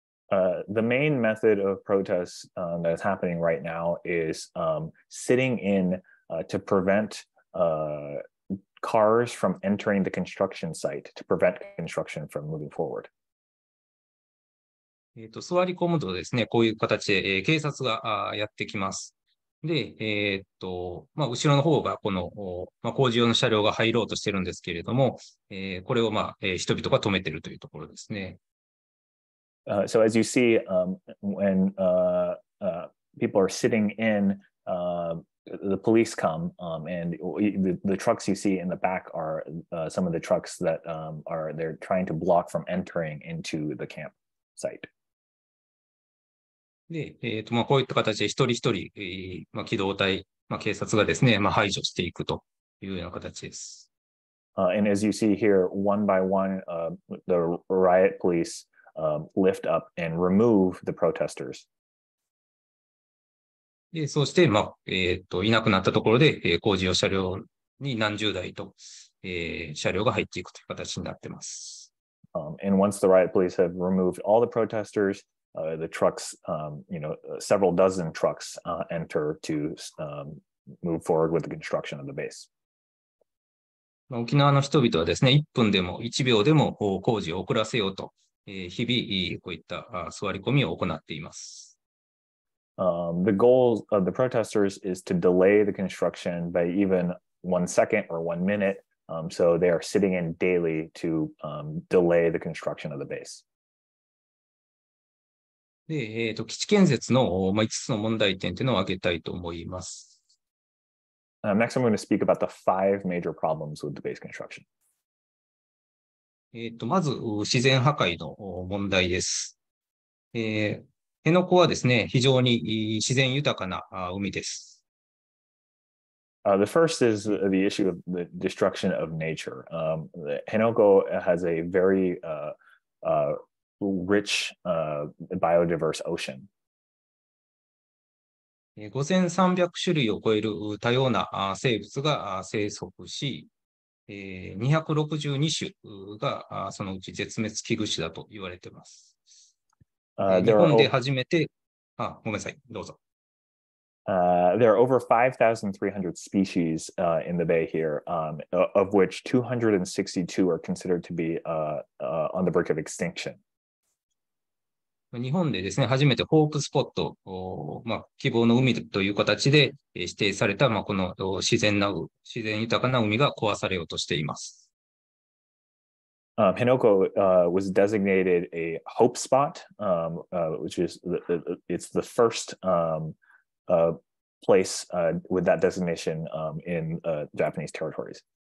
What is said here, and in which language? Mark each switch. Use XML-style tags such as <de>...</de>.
<en>The main method of protest that is happening right now is sitting in to prevent cars from entering the construction site, to prevent construction from moving forward.</en> <ja>座り込むとですね、こういう形で、警察がやってきます。で、後ろの方がこの、工事用の車両が入ろうとしてるんですけれども、これを、人々が止めてるというところですね。</ja> <en>So as you see, when people are sitting in, the police come, and the trucks you see in the back are some of the trucks that they're trying to block from entering into the camp site.</en> <ja>で、こういった形で一人一人、機動隊、警察がですね、排除していくというような形です。</ja> <en>And as you see here, one by one, the riot police lift up and remove the protesters.</en> <ja>で、そして、いなくなったところで、工事用車両に何十台と、車両が入っていくという形になってます。</ja> <en>And once the riot police have removed all the protesters, the trucks, several dozen trucks enter to move forward with the construction of the base.</en> <ja>沖縄の人々はですね、1分でも1秒でも工事を遅らせようと。日々こういった座り込みを行っています。</ja> <en>The goal of the protesters is to delay the construction by even 1 second or 1 minute. So they are sitting in daily to delay the construction of the base.</en> <ja>で、基地建設の、5つの問題点というのを挙げたいと思います。</ja> <en>Next, I'm going to speak about the 5 major problems with the base construction.</en> <ja>まず、自然破壊の問題です。辺野古はですね、非常に自然豊かな海です。</ja> <en>The first is the issue of the destruction of nature. 辺野古 has a very rich biodiverse ocean.</en> <ja>5300種類を超える多様な生物が生息し、262種がそのうち絶滅危惧種だと言われています。日本で初めて、ごめんなさい、どうぞ。</ja> <en>There are over 5,300 species in the bay here, of which 262 are considered to be on the brink of extinction.</en> <ja>日本でですね、初めてホープスポット、まあ、希望の海という形で指定された、まあ、この自然豊かな海が壊されようとしています。</ja> <en>Henoko was designated a hope spot, which is it's the first place with that designation in Japanese territories.</en>